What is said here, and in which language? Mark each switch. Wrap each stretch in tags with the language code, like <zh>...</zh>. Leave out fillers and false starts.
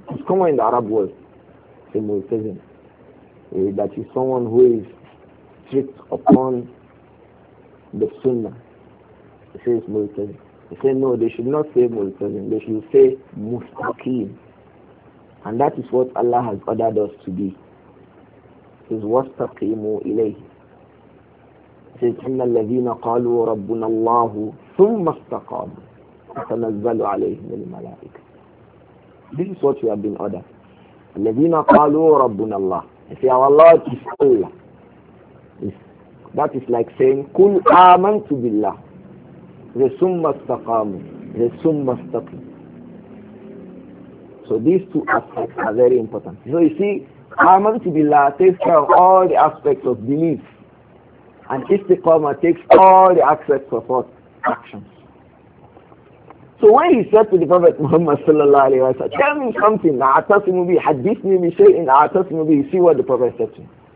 <en>It's common in the Arab world, say mu'tazim. That is someone who is strict upon the Sunnah. He says mu'tazim. He says no, they should not say mu'tazim. They should say mustaqim. And that is what Allah has ordered us to be. He says,</en> <ar>وَاسْتَقِيمُوا إِلَيْهِ. سيدنا الذين قالوا ربنا الله ثم استقاموا فتنزل عليهم الملائكة.</ar> <en>This is what we have been ordered.</en> <ar>الذين قالوا ربنا الله.</ar> <en>You see, our Lord is Allah. That is like saying</en> <ar>قل آمنت بالله ثم استقاموا ثم استقيم.</ar> <en>So these two aspects are very important. So you see,</en> <ar>amanti billah</ar> <en>takes care of all the aspects of belief, and istiqamah takes all the aspects of what? Actions. So when he said to the Prophet Muhammad sallallahu alaihi wasallam, tell me something,</en> <ar>a'tasimu bi, hadith me bi shay'in a'tasimu bi,</ar> <en>you see what the Prophet said to him.</en>